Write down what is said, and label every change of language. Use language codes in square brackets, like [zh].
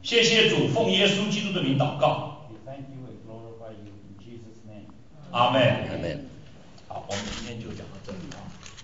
[zh] 谢谢主，奉耶稣基督的名祷告。 [en] We thank you and glorify you in Jesus' name. Amen. Amen. [zh] 好，我们今天就讲到这里了。